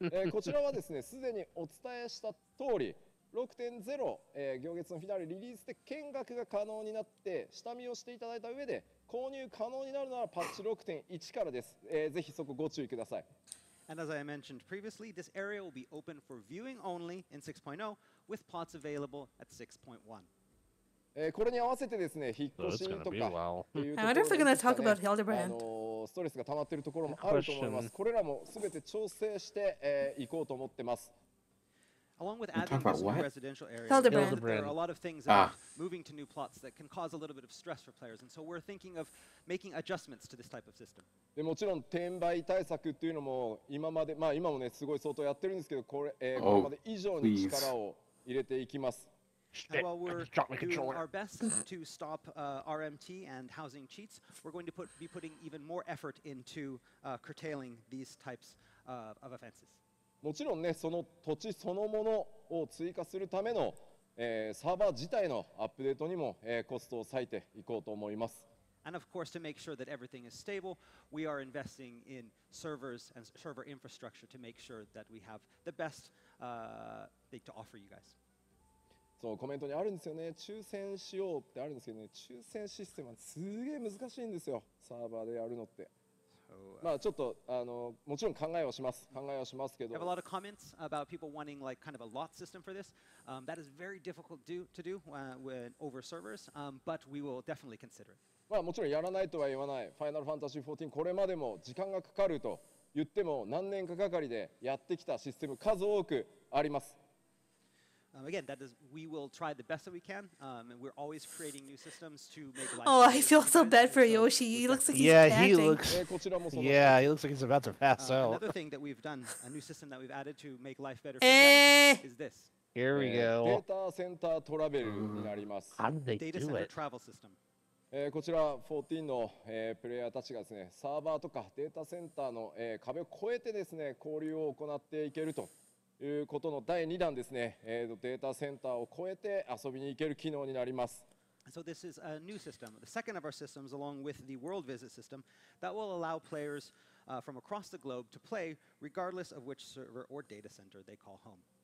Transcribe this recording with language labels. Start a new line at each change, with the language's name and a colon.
Japanese: こちらはですねすでにお伝えした通り 6.0 行月のフィナーレリリースで見学が可能になって下見をしていただいた上で購入可能になるならパッチ 6.1 からです、ぜひそこご注意ください
English: And as I mentioned previously, this area will be open for viewing only in 6.0 with plots available at 6.1
Japanese: これに合わせてですね引っ越しとか
English: I wonder if they're going to talk about Hildebrand
Japanese: ストレスが溜まっているところもあると思います。これらもすべて調整して、行こうと思ってます。
English: Along with adding this new residential area, Hildebrand. There are a lot of things that are moving to new plots that can cause a little bit of stress for players, and so we're thinking of making adjustments to this type of system.
Japanese: でもちろん転売対策っていうのも今まで、まあ今もねすごい相当やってるんですけど、これ、これまで以上に力を入れていきます。
English: And while we're doing our best to stop RMT and housing cheats, we're going to be putting even more effort into curtailing these types of offenses.
Japanese: もちろんね、その土地そのものを追加するための、サーバー自体のアップデートにも、コストを割いていこうと思います。
English: And of course, to make sure that everything is stable, we are investing in servers and server infrastructure to make sure that we have the best thing to offer you guys.
Japanese: そうコメントにあるんですよね抽選しようってあるんですけどね抽選システムはすげえ難しいんですよサーバーでやるのってまあちょっとあのもちろん考えはしますけど
English: have a lot of comments about people wanting like kind of a lot system for this that is very difficult to do when over servers but we will definitely consider it
Japanese: まあもちろんやらないとは言わない Final Fantasy XIV これまでも時間がかかると言っても何年かかかりでやってきたシステム数多くあります
English: Again, that is, we will try the best that we can, and we're always creating new systems to make life. Oh, I feel so bad for Yoshi. He looks like yeah, he's panting. Yeah, he looks like he's about to pass out. Another thing that we've done, a new system that we've added to make life better for you is this. Here we go.
Japanese: Data center travel になります。
English: How did they do it? Data center travel system.
Japanese: こちら14の、プレイヤーたちがですね、サーバーとかデータセンターの、壁を越えてですね、交流を行っていけると。いうことの第2弾ですね。データセンターを越えて遊びに行ける機能になります。
English: So this is a new system, the second of our systems, along with the World Visit system, that will allow players from across the globe to play regardless of which server or data center they call home.